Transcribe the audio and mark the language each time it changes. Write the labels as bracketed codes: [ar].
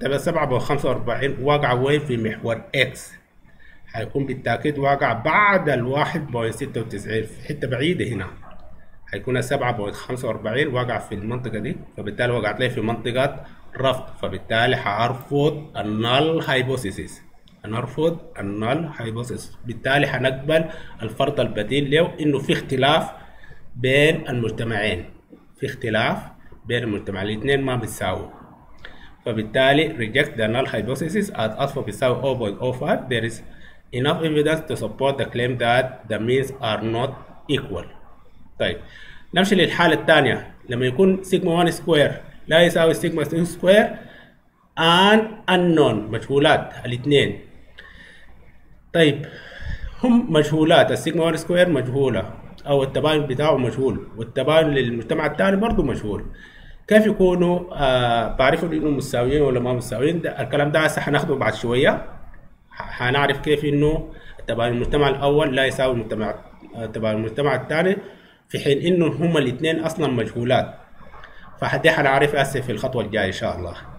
[ar] طب ال 7.45 واقعه وين؟ في محور اكس، هيكون بالتاكيد واقع بعد ال 1.96 في حته بعيده هنا، هيكون ال 7.45 واقع في المنطقه دي، فبالتالي وقعت لي في منطقه رفض، فبالتالي هرفض النال هايبوثيسيس. هنرفض النال هايبوثيسيس، بالتالي هنقبل الفرض البديل له انه في اختلاف بين المجتمعين، في اختلاف بين المجتمعين، الاثنين ما بيساووا. [en] فبالتالي reject the null hypothesis at alpha بيساوي 0.05. there is enough evidence to support the claim that the means are not equal. [ar] طيب نمشي للحالة الثانية، لما يكون سيجما 1 سكوير لا يساوي سيجما 2 سكوير [en] and unknown، [ar] مجهولات الاثنين. طيب هم مجهولات، السيجما 1 سكوير مجهولة او التباين بتاعه مجهول والتباين للمجتمع الثاني برضه مجهول، كيف يكونوا بعرفوا انهم متساويين ولا ما متساويين؟ الكلام ده هسه هناخده بعد شويه، هنعرف كيف انه تباين المجتمع الاول لا يساوي المجتمع تباين المجتمع الثاني في حين انه هما الاثنين اصلا مجهولات، فدي هنعرف هسه في الخطوه الجايه ان شاء الله.